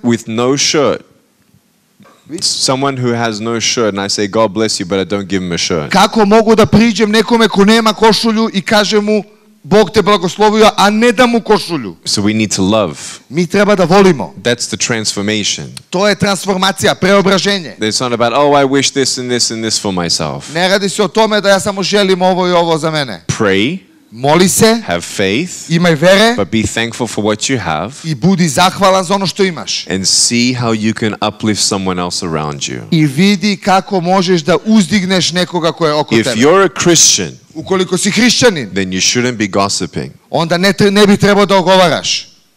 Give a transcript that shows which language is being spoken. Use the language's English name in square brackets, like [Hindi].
[English] with no shirt, someone who has no shirt, and I say God bless you, but I don't give him a shirt. [Serbian] Kako mogu da priđem nekome ko nema košulju I kažem mu Bog te blagoslovio, a ne da mu košulju. [English] So we need to love. [Serbian] Mi treba da volimo. [English] That's the transformation. [Serbian] To je transformacija, preobraženje. [English] It's not about, oh, I wish this and this and this for myself. [Serbian] Ne radi se o tome da ja samo želim ovo I ovo za mene. [English] Pray. [Serbian] Moli se. [English] Have faith. [Serbian] Imaj vere. [English] But be thankful for what you have. [Serbian] I budi zahvalan za ono što imaš. [English] And see how you can uplift someone else around you. [Serbian] I vidi kako možeš da uzdigneš nekoga ko je oko tebe. [English] If you're a Christian, [Serbian] ukoliko si hrišćanin, [English] then you shouldn't be gossiping. [Serbian] Onda ne bi trebao da ogovaraš.